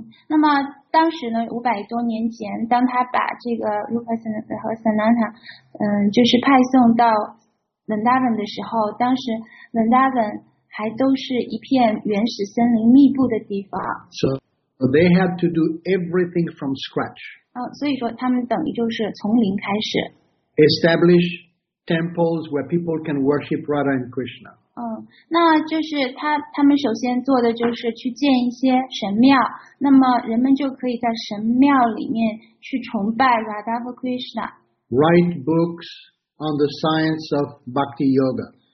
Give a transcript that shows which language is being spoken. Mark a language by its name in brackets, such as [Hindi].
[Chinese] 那么当时呢，五百多年前，当他把这个 Rupa 和 Sananta, 就是派送到 Vrindavan 的时候，当时 Vrindavan 还都是一片原始森林密布的地方。 [English] So they had to do everything from scratch. [Chinese] 所以说他们等于就是从零开始。 [English] Establish temples where people can worship Radha and Krishna. [Chinese] 那就是他们首先做的就是去建一些神庙，那么人们就可以在神庙里面去崇拜 Radha and Krishna。 [English] Write books on the science of Bhakti Yoga。